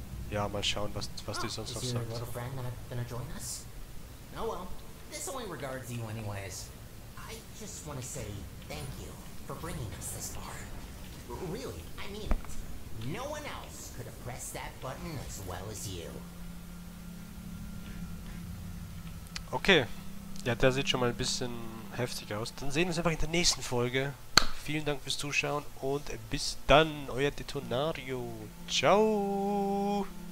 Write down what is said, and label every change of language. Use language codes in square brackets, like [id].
[de] Ja, mal schauen, was die sonst noch sagt. [en] Little friend not gonna join us? No, well, this only regards you anyways. I just want to say thank you for bringing us this far. Really, I mean it. No one else could have pressed that button as well as you. Okay. [de] Ja, der sieht schon mal ein bisschen heftig aus. Dann sehen wir uns einfach in der nächsten Folge. Vielen Dank fürs Zuschauen und bis dann, euer Detonario. Ciao!